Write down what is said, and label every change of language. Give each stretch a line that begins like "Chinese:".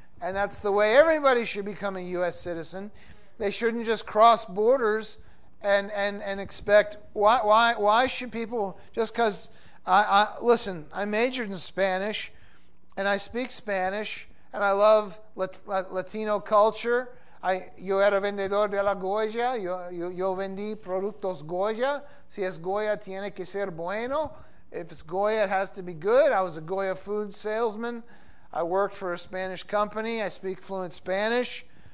English: And that's the way everybody should become a U.S. citizen. They shouldn't just cross borders and expect, why should people, just because, listen, I majored in Spanish and I speak Spanish and I love Latino culture.
Spanish: Yo era vendedor de la Goya, yo vendí productos Goya. Si es Goya, tiene que ser bueno.
English: If it's Goya, it has to be good. I was a Goya food salesman. I worked for a Spanish company. I speak fluent Spanish.